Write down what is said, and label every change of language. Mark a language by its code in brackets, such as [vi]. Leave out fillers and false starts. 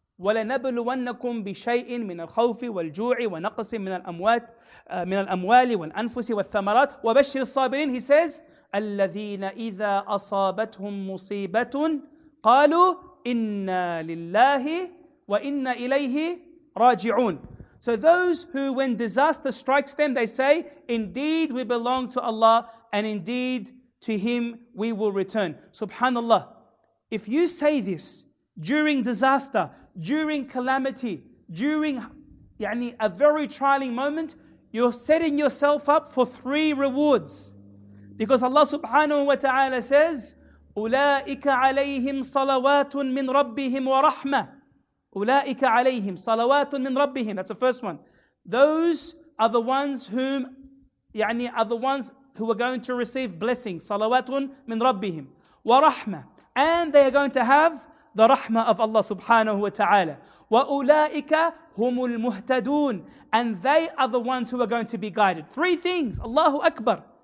[ar] وَلَنَبْلُوَنَّكُمْ بِشَيْءٍ مِنَ الْخَوْفِ وَالْجُوعِ وَنَقْصٍ مِنَ الْأَمْوَاتِ مِنَ الْأَمْوَالِ وَالْأَنفُسِ وَالثَّمَرَاتِ وَبَشِّرِ الصَّابِرِينَ [en] He says, [ar] الَّذِينَ إِذَا أَصَابَتْهُمْ مُصِيبَةٌ قَالُوا إِنَّا لِلَّهِ وَإِنَّا إِلَيْهِ رَاجِعُونَ [en] So those who, when disaster strikes them, they say, indeed we belong to Allah and indeed to Him we will return. Subhanallah, if you say this, during disaster, during calamity, during يعني, a very trialing moment, you're setting yourself up for three rewards. Because Allah subhanahu wa ta'ala says, [ar] أُولَٰئِكَ عَلَيْهِمْ صَلَوَاتٌ مِّنْ رَبِّهِمْ وَرَحْمَةٌ أُولَٰئِكَ عَلَيْهِمْ صَلَوَاتٌ مِّنْ رَبِّهِمْ [en] That's the first one. Those are the ones whom, يعني, are the ones who are going to receive blessing. [ar] صَلَوَاتٌ مِّنْ رَبِّهِمْ وَرَحْمَةٌ [en] And they are going to have the rahmah of Allah subhanahu wa ta'ala. [ar] وَأُولَٰئِكَ هُمُ الْمُهْتَدُونَ [en] And they are the ones who are going to be guided. Three things. Allahu Akbar.